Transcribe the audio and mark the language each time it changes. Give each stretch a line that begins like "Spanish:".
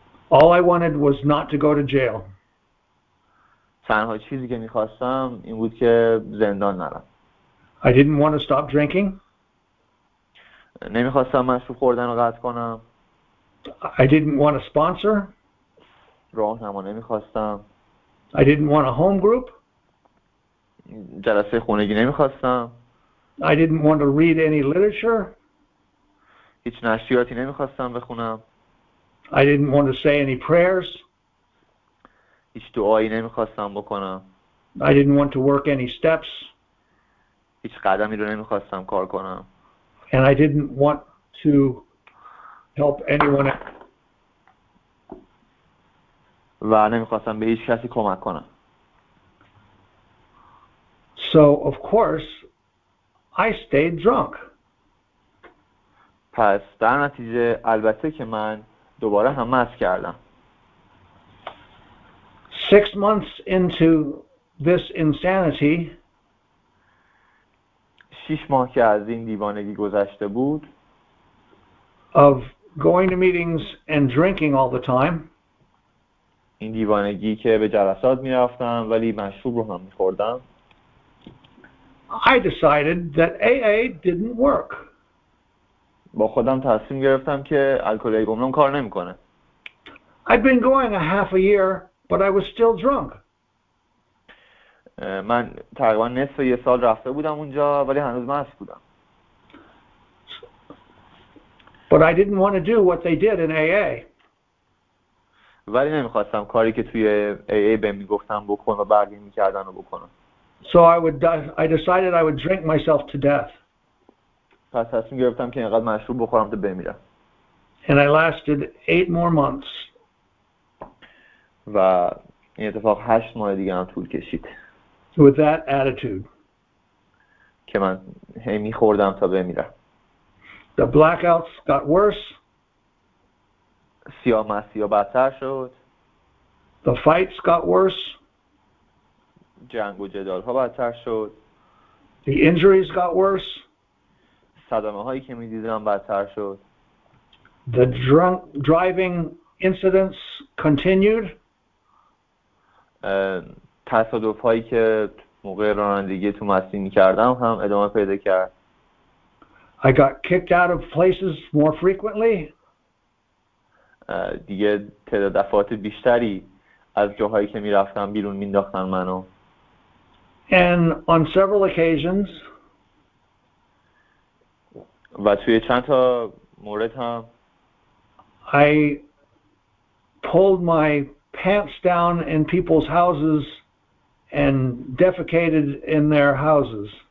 English: All I wanted was not to go to jail.
Persian: تنها چیزی که میخواستم این بود که زندان نرم.
English: I didn't want to stop drinking.
Persian: نمیخواستم مشروب خوردن رو قطع کنم.
English: I didn't want a sponsor.
Persian: راهنما نمیخواستم.
English: I didn't want a home group.
Persian: جلسه خانگی نمیخواستم.
English: I didn't want to read any literature.
Persian: هیچ نشریاتی نمیخواستم بخونم.
English: I didn't want to say any prayers.
Persian: هیچ دعایی نمیخواستم بکنم.
English: I didn't want to work any steps.
Persian: هیچ قدمی رو نمیخواستم کار کنم.
English: And I didn't want to help anyone else.
Persian: و نمیخواستم به هیچ کسی کمک کنم.
English: So of course I stayed drunk.
Persian: پس در نتیجه البته که من دوباره هم مست کردم.
English: 6 months into this insanity.
Persian: 6 ماه که از این دیوانگی گذشته بود.
English: Of going to meetings and drinking all the time.
Persian: این دیوانگی که به جلسات می‌رفتم ولی مشروب رو هم می‌خوردم.
English: I decided that AA didn't work.
Persian: با خودم تصمیم گرفتم که الکل ایگومنون کار نمی‌کنه.
English: I'd been going a half a year, but I was still drunk.
Persian: من تقریبا نصف یه سال رفته بودم اونجا ولی هنوز مست بودم.
English: But I didn't want to do what they did in AA.
Persian: ولی نمیخواستم کاری که توی AA بهم میگفتن بکن و بعدی میکردن رو بکنم.
English: So I decided I would drink myself to death.
Persian: پس تصمیم گرفتم که اینقدر مشروب بخورم تا بمیرم.
English: And I lasted 8 more months.
Persian: و این اتفاق 8 ماه دیگه هم طول کشید.
English: With that attitude.
Persian: که من هی میخوردم تا بمیرم.
English: The blackouts got worse.
Persian: سیاه‌مستی بدتر شد.
English: The fights got worse.
Persian: جنگ و جدال‌ها بدتر شد.
English: The injuries got worse.
Persian: صدمه‌هایی که می‌دیدم بدتر شد.
English: The drunk driving incidents continued.
Persian: تصادف هایی که موقع رانندگی تو مستی می‌کردم هم ادامه پیدا کرد.
English: I got kicked out of places more frequently.
Persian: دیگه تعداد دفعات بیشتری از جاهایی که می‌رفتم بیرون می‌انداختن منو.
English: And on several occasions.
Persian: و توی چند تا مورد هم
English: I pulled my pants down in people's houses. And defecated in their houses.